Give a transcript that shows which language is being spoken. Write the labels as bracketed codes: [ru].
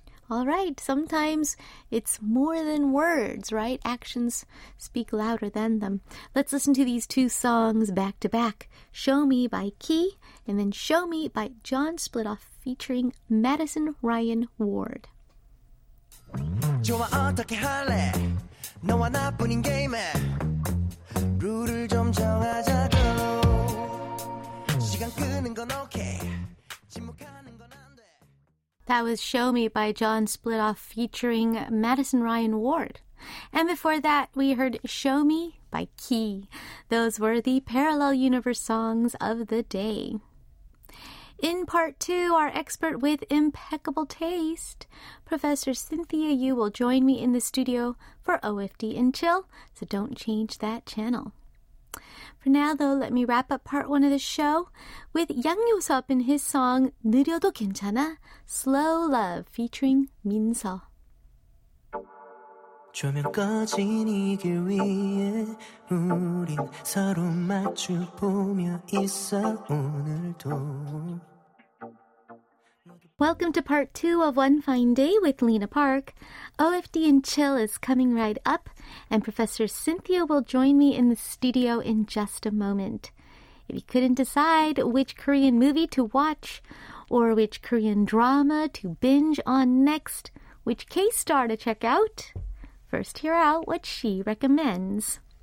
[en] All right, sometimes it's more than words, right? Actions speak louder than them. Let's listen to these two songs back to back. "Show Me" by Ki, and then "Show Me" by John Splitoff featuring Madison Ryan Ward. [ko] 좋아, 어떻게 할래? 너와 나뿐인 게임에 룰을 좀 정하자고. 시간 끄는 건 오케이. [en] That was "Show Me" by John Splitoff featuring Madison Ryan Ward. And before that, we heard "Show Me" by Ki. Those were the Parallel Universe songs of the day. In part two, our expert with impeccable taste, Professor Cynthia Yu, will join me in the studio for OFD and Chill, so don't change that channel. For now, though, let me wrap up part one of the show with Yang Yo-seop in his song 느려도 괜찮아, Slow Love, featuring Min-seo. [ko] 조명 꺼진 이 길 위에 우린 서로 마주 보며 있어 오늘도. [en] Welcome to part two of One Fine Day with Lena Park. OFD and Chill is coming right up, and Professor Cynthia will join me in the studio in just a moment. If you couldn't decide which Korean movie to watch, or which Korean drama to binge on next, which K-star to check out, first hear out what she recommends.